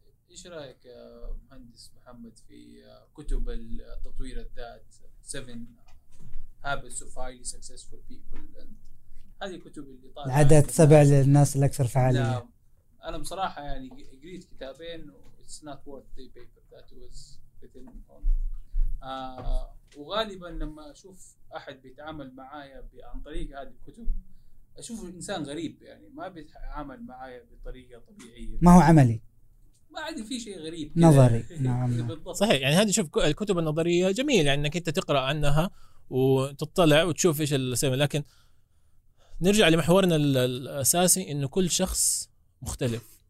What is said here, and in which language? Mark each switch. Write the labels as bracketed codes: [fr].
[ar] ايش رايك يا مهندس محمد في كتب التطوير الذات 7 Habits of Highly Successful People؟ هذه كتب اللي طالع عدد 7 للناس الاكثر فعاليه. انا بصراحه يعني قريت كتابين [en] It's not worth the paper that was written on. [ar] وغالبا لما اشوف احد بيتعامل معايا عن طريق هذه الكتب اشوف انسان غريب، يعني ما بيتعامل معايا بطريقه طبيعيه، ما هو عملي، ما عندي في شيء غريب نظري. نعم صحيح. يعني هذه شوف الكتب النظريه جميل يعني انك انت تقرا عنها وتطلع وتشوف ايش السبب، لكن نرجع لمحورنا الاساسي انه كل شخص مختلف.